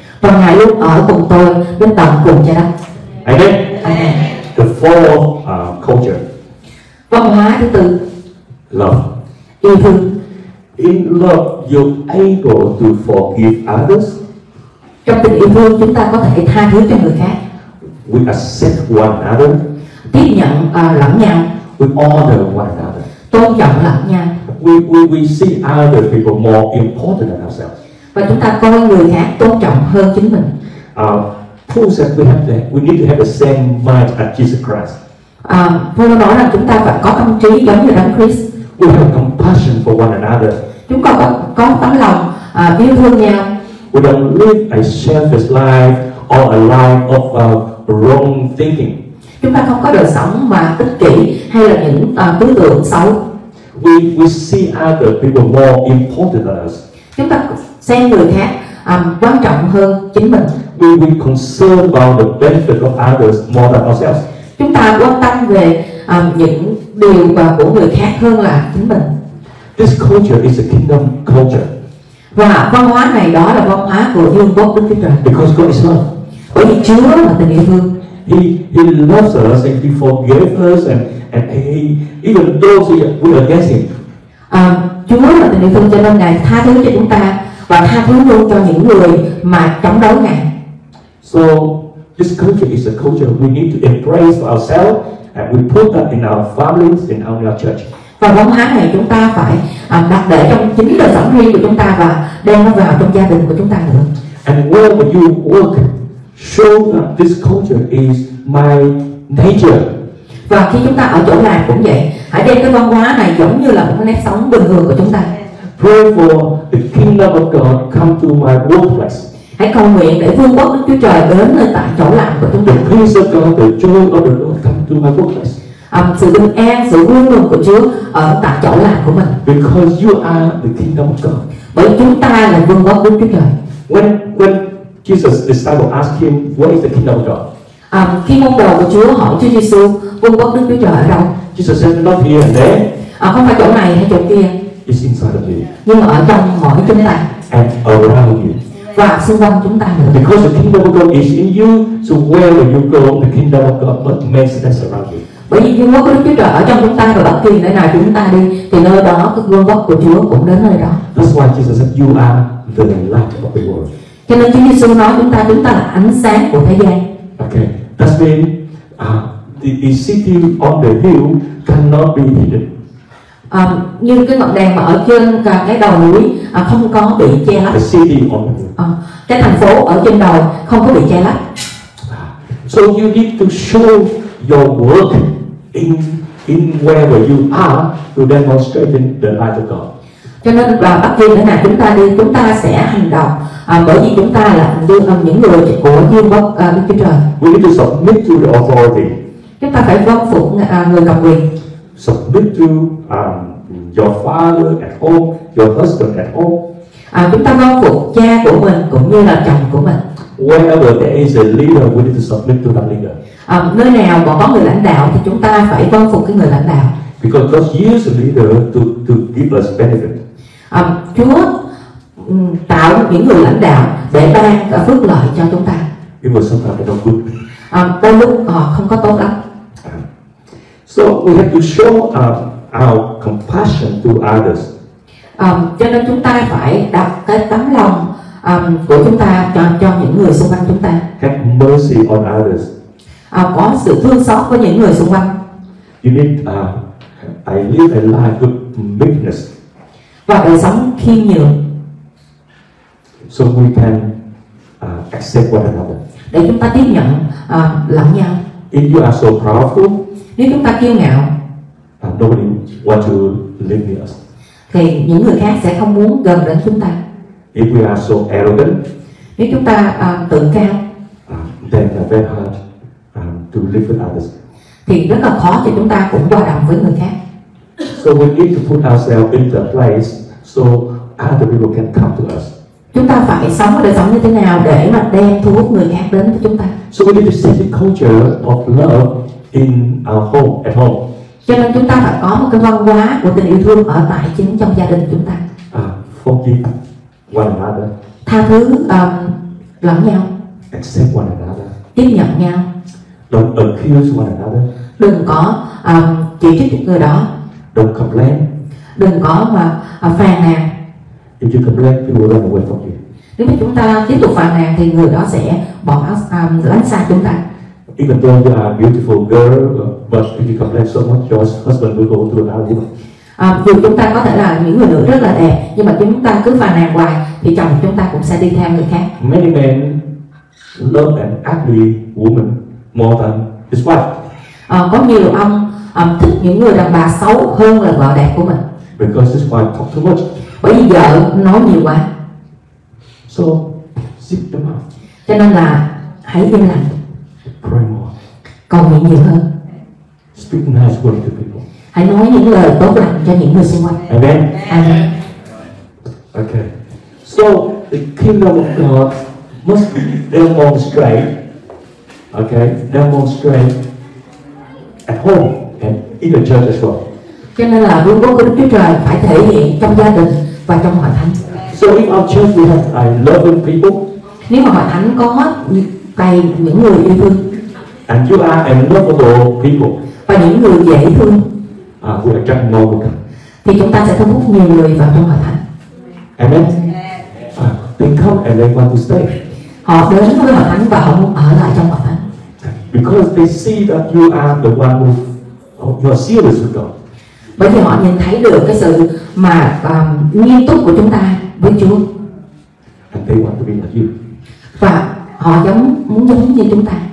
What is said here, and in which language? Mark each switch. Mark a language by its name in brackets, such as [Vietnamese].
[Vietnamese] Và Ngài luôn ở cùng tôi đến tận cùng trái đất. Amen. Amen. [English] The fourth culture. [Vietnamese] Văn hóa thứ tư. [English] Love. [Vietnamese] Yêu thương. [English] In love, you're able to forgive others. [Vietnamese] Trong tình yêu thương, chúng ta có thể tha thứ cho người khác. [English] We accept one another. [Vietnamese] Tiếp nhận lẫn nhau. [English] We honor one another. [Vietnamese] Tôn trọng lẫn nhau. [English] We see other people more important than ourselves. [Vietnamese] Và chúng ta coi người khác tôn trọng hơn chính mình. [English] Paul said we have to, we need to have the same mind as Jesus Christ. [Vietnamese] Paul nói rằng chúng ta phải có tâm trí giống như Đấng Christ. [English] We have compassion for one another. [Vietnamese] Chúng ta có tấm lòng yêu thương nhau. [English] We don't live a selfish life or a life of wrong thinking. [Vietnamese] Chúng ta không có đời sống mà ích kỷ hay là những tư tưởng xấu. [English] We see other people more important than us. [Vietnamese] Chúng ta xem người khác quan trọng hơn chính mình. [English] We concern about the benefit of others more than ourselves. [Vietnamese] Chúng ta quan tâm về những điều mà của người khác hơn là chính mình. [English] This culture is a kingdom culture. [Vietnamese] Và văn hóa này đó là văn hóa của vương quốc Đức Chúa Trời. [English] Because God is love. [Vietnamese] Bởi vì Chúa là tình yêu thương. [English] He loves us and He forgave us and He even though we are against Him. [Vietnamese] Chúa là tình yêu thương cho nên Ngài tha thứ cho chúng ta và tha thứ luôn cho những người mà chống đối Ngài. [English] So this culture is a culture we need to embrace for ourselves and we put that in our families and in our church. [Vietnamese] Và văn hóa này chúng ta phải đặt để trong chính đời sống riêng của chúng ta và đem nó vào trong gia đình của chúng ta nữa. [English] And where you work, show that this culture is my nature. [Vietnamese] Và khi chúng ta ở chỗ làm cũng vậy, hãy đem cái văn hóa này giống như là một cái nét sống bình thường của chúng ta. [English] Pray for the kingdom of God come to my workplace. [Vietnamese] Hãy cầu nguyện để vương quốc Đức Chúa Trời đến nơi tại chỗ làm của chúng ta. [English] The peace of God, the joy of the Lord come to my workplace. [Vietnamese] Sự bình an, sự vui mừng của Chúa ở tại chỗ làm của mình. [English] Because you are the kingdom of God. [Vietnamese] Bởi chúng ta là vương quốc Đức Chúa Trời. [English] When Jesus disciple asked him, what is the kingdom of God? [Vietnamese] Khi môn đồ của Chúa hỏi Chúa Giêsu, vương quốc Đức Chúa Trời ở đâu? [English] Jesus said, not here and there. [Vietnamese] Không phải chỗ này hay chỗ kia. [English] It's inside of you. [Vietnamese] Nhưng mà ở trong mỗi chúng ta. [English] And around you. [Vietnamese] và xung quanh chúng ta nữa. [English] Because the kingdom of God is in you, so where will you go? The kingdom of God must manifest that's around you. [Vietnamese] Bởi vì vương quốc của Đức Chúa Trời ở trong chúng ta và bất kỳ nơi nào chúng ta đi thì nơi đó cái vương quốc của Chúa cũng đến nơi đó. [English] That's why Jesus said you are the light of the world. [Vietnamese] Cho nên Chúa Giêsu nói chúng ta là ánh sáng của thế gian. [English] Okay, that's mean the city on the hill cannot be hidden. [Vietnamese] Như cái ngọn đèn mà ở trên cái đầu núi không có bị che lấp. [English] The city on the hill. [Vietnamese] Cái thành phố ở trên đầu không có bị che lấp. [English] So you need to show your work in wherever you are to demonstrate the light of God. [Vietnamese] Cho nên là bất kỳ nơi nào chúng ta đi, chúng ta sẽ hành động. Bởi vì chúng ta là những người của vương quốc Đức Chúa Trời. [English] We need to submit to the authority. [Vietnamese] Chúng ta phải vâng phục người cầm quyền. [English] Submit to your father at home, your husband at home. [Vietnamese] Chúng ta vâng phục cha của mình cũng như là chồng của mình. [English] Wherever there is a leader, we need to submit to that leader. [Vietnamese] Nơi nào mà có người lãnh đạo thì chúng ta phải vâng phục cái người lãnh đạo. [English] Because God uses the leader to give us benefit. [Vietnamese] Chúa tạo những người lãnh đạo để ban phước lợi cho chúng ta. [English] It was sometimes not good. [Vietnamese] Đôi lúc không có tốt lắm. [English] So we have to show our compassion to others. [Vietnamese] Cho nên chúng ta phải đặt cái tấm lòng của chúng ta cho những người xung quanh chúng ta. [English] Have mercy on others. [Vietnamese] Có sự thương xót với những người xung quanh. [English] You need I live a life of meekness. [Vietnamese] Và đời sống khiêm nhường. [English] So we can accept one another. [Vietnamese] Để chúng ta tiếp nhận lẫn nhau. [English] If you are so proudful. [Vietnamese] Nếu chúng ta kiêu ngạo. [English] Nobody want to live with us. [Vietnamese] Thì những người khác sẽ không muốn gần đến chúng ta. [English] If we are so arrogant. [Vietnamese] Nếu chúng ta tự cao. [English] Then it's very hard to live with others. [Vietnamese] Thì rất là khó cho chúng ta cũng hòa đồng với người khác. [English] So we need to put ourselves in the place so other people can come to us. [Vietnamese] Chúng ta phải sống ở đời sống như thế nào để mà đem thu hút người khác đến với chúng ta. [English] So we need to set the culture of love in our home, at home. [Vietnamese] Cho nên chúng ta phải có một cái văn hóa của tình yêu thương ở tại chính trong gia đình chúng ta. [English] Forgive one another. [Vietnamese] Tha thứ lẫn nhau. [English] Accept one another. [Vietnamese] Tiếp nhận nhau. [English] Don't accuse one another. [Vietnamese] Đừng có chỉ trích một người đó. [English] Don't complain. [Vietnamese] Đừng có mà phàn nàn. [English] If you complain, people will run away from you. [Vietnamese] Nếu mà chúng ta tiếp tục phàn nàn thì người đó sẽ bỏ lánh xa chúng ta. [English] Even though you are a beautiful girl, but if you complain so much, your husband will go to another woman. [Vietnamese] Dù chúng ta có thể là những người nữ rất là đẹp, nhưng mà chúng ta cứ phàn nàn hoài thì chồng chúng ta cũng sẽ đi theo người khác. [English] Many men love an ugly woman more than his wife. [Vietnamese] Có nhiều ông thích những người đàn bà xấu hơn là vợ đẹp của mình. [English] Because his wife talk too much. [Vietnamese] Bởi vì vợ nói nhiều quá. [English] So, sit the mouth. [Vietnamese] Cho nên là hãy im lặng. [English] Pray more. [Vietnamese] Cầu nguyện nhiều hơn. [English] Speak nice words to people. [Vietnamese] Hãy nói những lời tốt lành cho những người xung quanh. Amen. Amen. Okay. [English] So the kingdom of God must be demonstrated. Okay, demonstrate at home and in the church as well. [Vietnamese] Cho nên là vương quốc của Đức Chúa Trời phải thể hiện trong gia đình và trong hội thánh. [English] So if our church we have a loving people. [Vietnamese] Nếu mà hội thánh có đầy những người yêu thương. [English] And you are a lovable people. [Vietnamese] Và những người dễ thương. [English] Who attract more people. [Vietnamese] Thì chúng ta sẽ thu hút nhiều người vào trong hội thánh. [English] Amen. They come and they want to stay. [Vietnamese] Họ đến với hội thánh và họ muốn ở lại trong hội thánh. [English] Because they see that you are the one who you are serious with God. [Vietnamese] Bởi vì họ nhìn thấy được cái sự mà nghiêm túc của chúng ta với Chúa. [English] And they want to be like you. [Vietnamese] Và họ muốn giống như chúng ta.